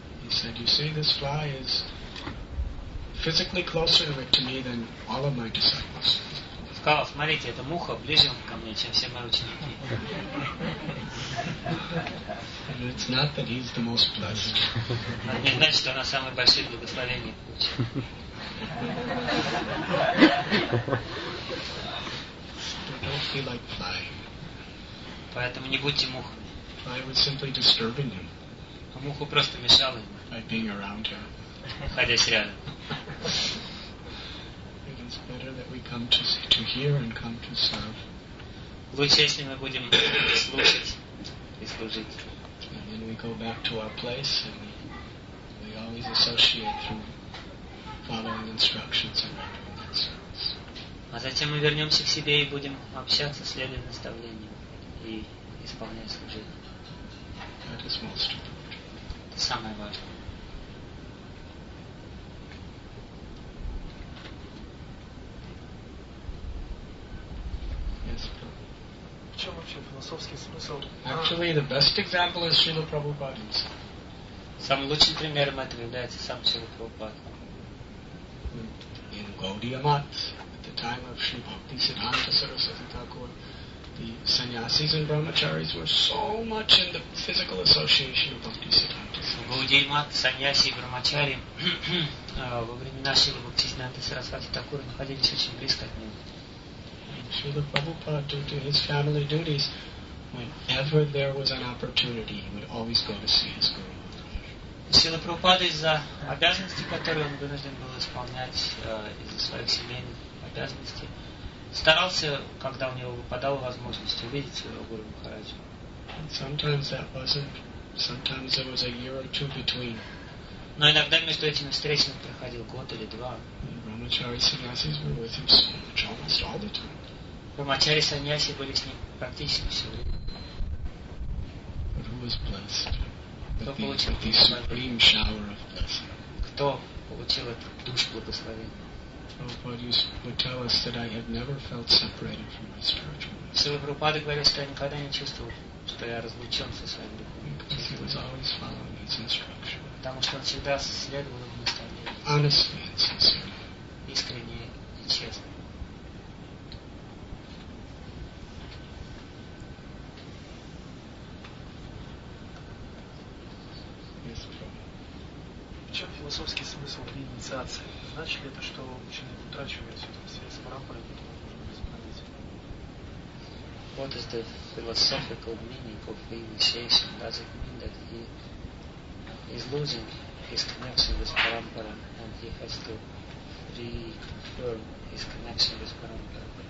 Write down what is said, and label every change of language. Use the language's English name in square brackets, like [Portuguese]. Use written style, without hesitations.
[English] He said, "You see, this fly is physically closer to me than all of my disciples." [Russian] Сказал, смотрите, эта муха ближе ко мне, чем все мои ученики. [English] And it's not that he's the most blessed. [Russian] Не значит, что она самое большое благословение. [English] Don't feel like flying. [Russian] Поэтому не будьте мухами. [English] Fly was simply disturbing him. [Russian] А муху просто мешало ему. [English] By being around her. [Russian] Находясь рядом. [English] It is better that we come to hear and come to serve. [Russian] Лучше, если мы будем слушать и служить. [English] And then we go back to our place and we always associate through following instructions and rendering that service. [Russian] А затем мы вернемся к себе и будем общаться, следуя наставлениям и исполняя служение. [English] That is most important. [Russian] Это самое важное. [English] Yes, [Russian] в чем вообще философский смысл? [English] Actually, the best example is Srila Prabhupada himself. [Russian] Самым лучшим примером этого является сам Srila Prabhupada. [English] In Gaudiya Math, at the time of Sri Bhakti Siddhanta Saraswati Thakur, the sannyasis and brahmacharis were so much in the physical association of Bhakti Siddhanta Saraswati. [Russian] Gaudiya Math, sannyasi, brahmachari, во времена Шрила Бхакти Сиддханта Сарасвати Такура находились очень близко от него. [English] Srila Prabhupada, due to his family duties, whenever there was an opportunity, he would always go to see his guru. [Russian] Сила Прабхупады из-за обязанностей, которые он вынужден был исполнять из-за своих семейных обязанностей, старался, когда у него выпадала возможность, увидеть своего Гуру Махараджу. [English] Sometimes that wasn't Sometimes there was a year or two between. [Russian] Но иногда между этими встречами проходил год или два. [English] Brahmachari sannyasis were with him almost all the time. [Russian] Brahmachari sannyasi были с ним практически все время. [English] But who was blessed? The supreme shower of blessing. [Russian] Кто получил этот душ благословения? [English] Prabhupada would tell us that I have never felt separated from my spiritual life. [Russian] Что я никогда не чувствовал, что я разлучен со своим духом. [English] Because he was always following his instruction. [Russian] Потому что он всегда следовал его наставлению. [English] Honestly and sincerely. [Russian] Искренне и честно. В чем философский смысл при инициации? Значит ли это, что человек утрачивает связь с парампарой, которую нужно восстановить? [English] What is the philosophical meaning of the initiation? Does it mean that he is losing his connection with parampara and he has to reconfirm his connection with parampara?